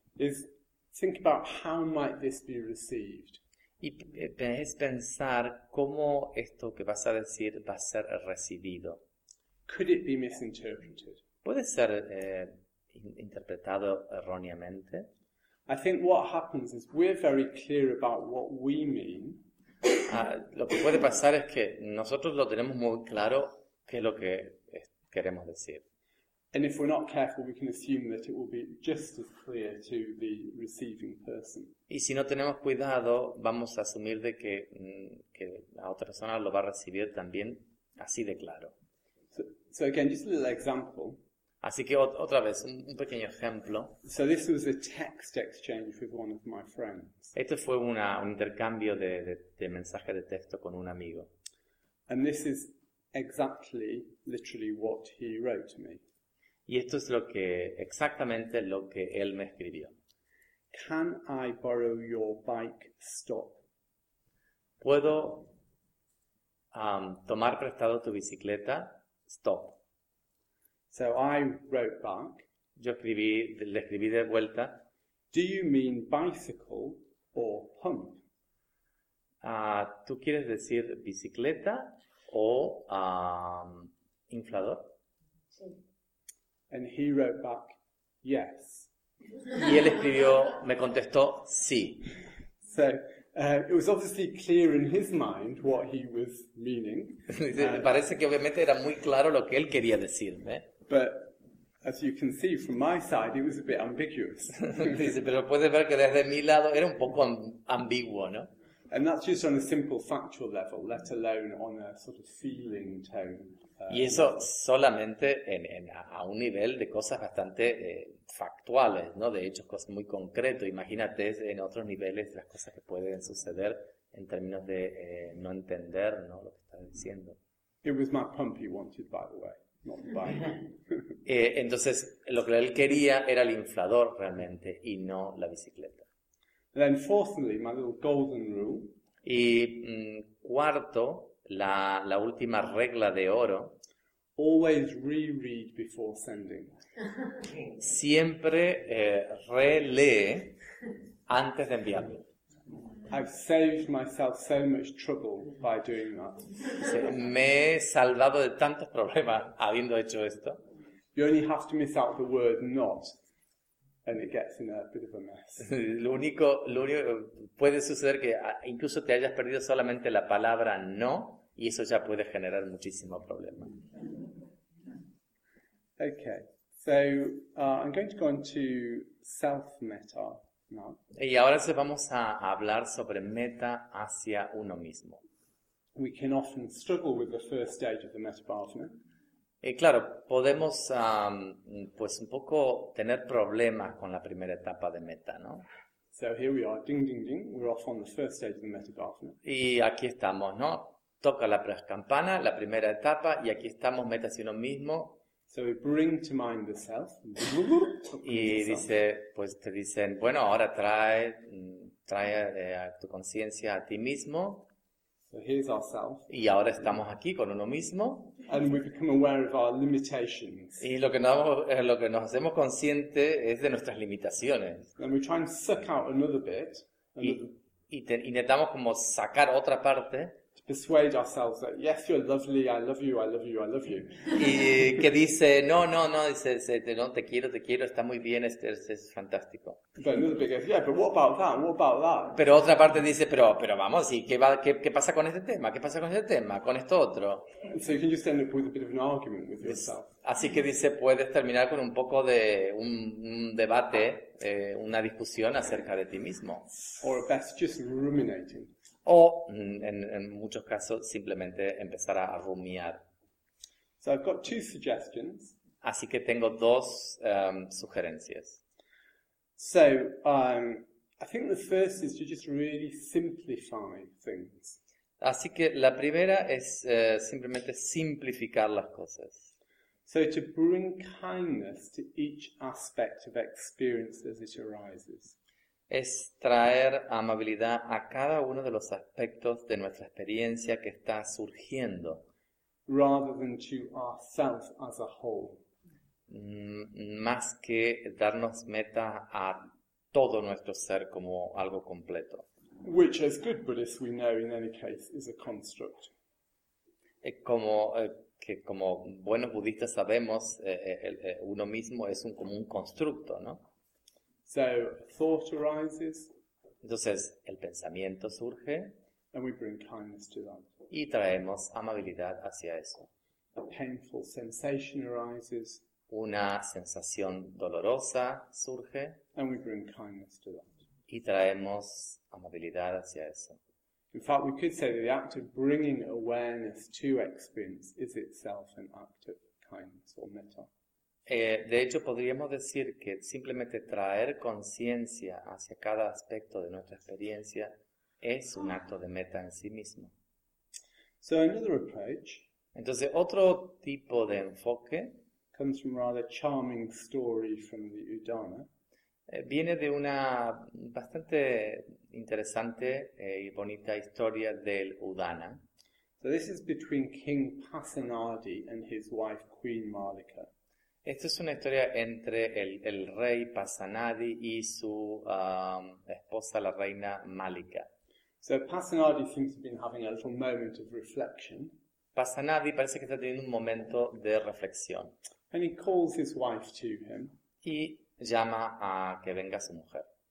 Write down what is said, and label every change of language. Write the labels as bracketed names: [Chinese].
[English] is think about how might this be received. [Spanish] Y es pensar cómo esto que vas a decir va a ser recibido. [English] Could it be misinterpreted? [Spanish] ¿Puede ser interpretado erróneamente? [English] I think what happens is we're very clear about what we mean. [Spanish] Lo que puede pasar es que nosotros lo tenemos muy claro qué es lo que queremos decir. [English] And if we're not careful, we can assume that it will be just as clear to the receiving person. [Spanish] Y si no tenemos cuidado, vamos a asumir de que la otra persona lo va a recibir también así de claro. [English] So again, just a little example. [Spanish] Así que otra vez, un pequeño ejemplo. [English] So this was a text exchange with one of my friends. [Spanish] Este fue un intercambio de mensaje de texto con un amigo. [English] And this is exactly, literally, what he wrote to me. [Spanish] Y esto es exactamente lo que él me escribió. [English] Can I borrow your bike stop? [Spanish] ¿Puedo tomar prestado tu bicicleta? [English] Stop. So I wrote back. [Spanish] Le escribí de vuelta. [English] Do you mean bicycle or pump? [Spanish] ¿Tú quieres decir bicicleta o inflador? Sí. [English] And he wrote back, yes. [Spanish] Y él escribió, me contestó, sí. [English] So it was obviously clear in his mind what he was meaning. [Spanish] Parece que obviamente era muy claro lo que él quería decirme. [English] But as you can see from my side, it was a bit ambiguous. [Spanish] Dice, pero puedes ver que desde mi lado era un poco ambiguo, ¿no? [English] And that's just on a simple factual level, let alone on a sort of feeling tone. [Spanish] Y eso solamente a un nivel de cosas bastante factuales, ¿no? De hecho, cosas muy concretas. Imagínate en otros niveles las cosas que pueden suceder en términos de no entender, ¿no? Lo que está diciendo. [English] It was my pump he wanted, by the way, not the bike. [Spanish] Entonces, lo que él quería era el inflador realmente y no la bicicleta. [English] And then fourthly, my little golden rule. [Spanish] Y cuarto, la última regla de oro. [English] Always reread before sending. [Spanish] Siempre relee antes de enviarlo. [English] I've saved myself so much trouble by doing that. [Spanish] Sí, me he salvado de tantos problemas habiendo hecho esto. [English] You only have to miss out the word not, and it gets in a bit of a mess. [Spanish] Lo único puede suceder que incluso te hayas perdido solamente la palabra no. Y eso ya puede generar muchísimo problema. [English] Okay, so I'm going to go into self-meta now. [Spanish] Y ahora sí vamos a hablar sobre meta hacia uno mismo. [English] We can often struggle with the first stage of the meta partner. [Spanish] Y claro, podemos pues un poco tener problemas con la primera etapa de meta, ¿no? [English] So here we are, ding, ding, ding. We're off on the first stage of the meta partner. [Spanish] Y aquí estamos, ¿no? Toca la campana, la primera etapa, y aquí estamos, meta hacia uno mismo. [English] So we bring to mind the self. [Spanish] Y dice, pues te dicen, bueno, ahora trae a tu conciencia a ti mismo. [English] So here's ourself. [Spanish] Y ahora estamos aquí con uno mismo. [English] And we become aware of our limitations. [Spanish] Y lo que nos hacemos consciente es de nuestras limitaciones. [English] And we try and suck out another bit. [Spanish] Y intentamos como sacar otra parte. [English] Persuade ourselves that yes, you're lovely. I love you. I love you. I love you. [Spanish] Y que dice no, dice no, te quiero, está muy bien, es fantástico. [English] But another bit goes, yeah, but what about that? What about that? [Spanish] Pero otra parte dice pero vamos, ¿y qué pasa con este tema? ¿Qué pasa con este tema? ¿Con esto otro? [English] So you can just end up with a bit of an argument with yourself. [Spanish] Así que dice, puedes terminar con un poco de un debate, una discusión acerca de ti mismo. [English] Or best just ruminating. [Spanish] O, en muchos casos, simplemente empezar a rumiar. [English] So I've got two suggestions. [Spanish] Así que tengo dos sugerencias. [English] So, I think the first is to just really simplify things. [Spanish] Así que la primera es simplemente simplificar las cosas. [English] So to bring kindness to each aspect of experience as it arises. [Spanish] Es traer amabilidad a cada uno de los aspectos de nuestra experiencia que está surgiendo. [English] Rather than to ourselves as a whole. [Spanish] Más que darnos meta a todo nuestro ser como algo completo. [English] Which, as good Buddhists we know, in any case, is a construct. [Spanish] Como buenos budistas sabemos, uno mismo es un común constructo, ¿no? [English] So thought arises. [Spanish] Entonces el pensamiento surge. [English] And we bring kindness to that. [Spanish] Y traemos amabilidad hacia eso. [English] A painful sensation arises. [Spanish] Una sensación dolorosa surge. [English] And we bring kindness to that. [Spanish] Y traemos amabilidad hacia eso. [English] In fact, we could say that the act of bringing awareness to experience is itself an act of kindness or metta. [Spanish] De hecho, podríamos decir que simplemente traer conciencia hacia cada aspecto de nuestra experiencia es un acto de metta en sí mismo. [English] So another approach. [Spanish] Entonces, otro tipo de enfoque [English] comes from a rather charming story from the Udana. [Spanish] Viene de una bastante interesante y bonita historia del Udana. [English] So this is between King Pasenadi and his wife Queen Malika. [Spanish] Esta es una historia entre el rey Pasenadi y su esposa, la reina Malika. [English] So Pasenadi seems to be having a little moment of reflection. [Spanish] Pasenadi parece que está teniendo un momento de reflexión. [English] And he calls his wife to him. [Spanish] Y llama a que venga su mujer.